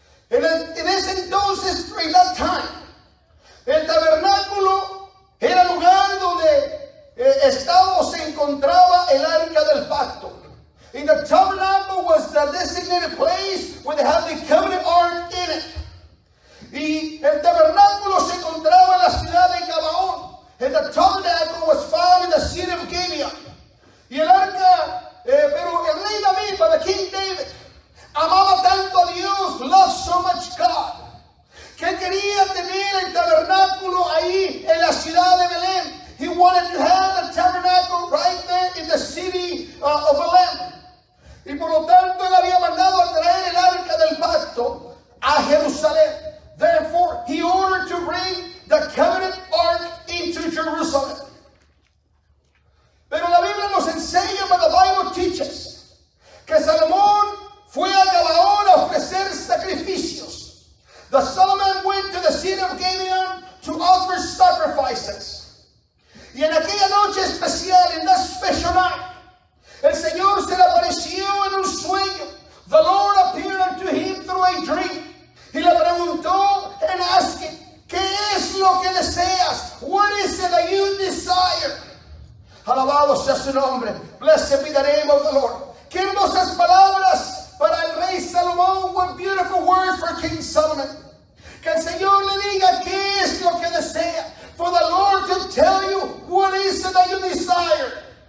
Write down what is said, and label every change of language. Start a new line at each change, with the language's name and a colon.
Spanish: En ese entonces,
English: in that time,
Spanish: el tabernáculo era lugar donde estaba o se encontraba el arca del pacto.
English: In the tabernacle was the designated place where they had the covenant ark in it.
Spanish: Y el tabernáculo se encontraba en la ciudad de Gabaón.
English: And the tabernacle was found in the city of Gibeon.
Spanish: Y el arca, pero el rey David,
English: but the King David,
Spanish: amaba tanto a Dios,
English: loved so much God,
Spanish: que quería tener el tabernáculo ahí. ciudad de Belén.
English: He wanted to have the tabernacle right there in the city of Belén.
Spanish: Y por lo tanto, él había mandado a traer el arca del pacto a Jerusalén.
English: Therefore, he ordered to bring the covenant ark into Jerusalem.
Spanish: Pero la Biblia nos enseña,
English: but the Bible teaches,
Spanish: que Salomón fue a Gabaón a ofrecer sacrificios.
English: The Solomon went to the city of Gabaon to offer sacrifices.
Spanish: Y en aquella noche especial,
English: in that special night,
Spanish: el Señor se le apareció en un sueño.
English: The Lord appeared unto him through a dream.
Spanish: Y le preguntó en asking, ¿qué es lo que deseas?
English: What is it that you desire?
Spanish: Alabado sea su nombre.
English: Blessed be the name of the Lord.
Spanish: Qué hermosas palabras para el rey Salomón.
English: What beautiful words for King Solomon.
Spanish: Que el Señor le diga, ¿qué es lo que desea?
English: For the Lord to tell you, what is it that you desire?